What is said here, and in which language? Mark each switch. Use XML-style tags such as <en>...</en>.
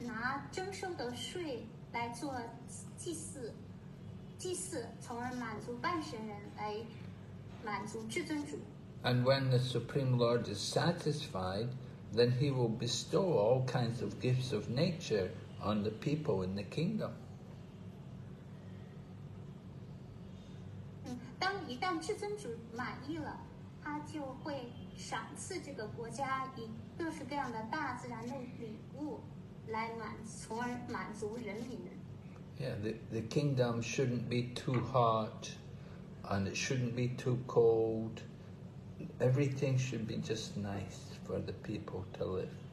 <zh>国王要拿征收的税 来做祭祀，祭祀从而满足半神人，来满足至尊主。</zh> <en>And when the Supreme Lord is satisfied, then he will bestow all kinds of gifts of nature on the people in the kingdom.</en> <zh>当一旦至尊主满意了，他就会赏赐这个国家以各式各样的大自然的礼物，来满，从而满足人民。</zh> <en>Yeah, the kingdom shouldn't be too hot, and it shouldn't be too cold. Everything should be just nice for the people to live.</en>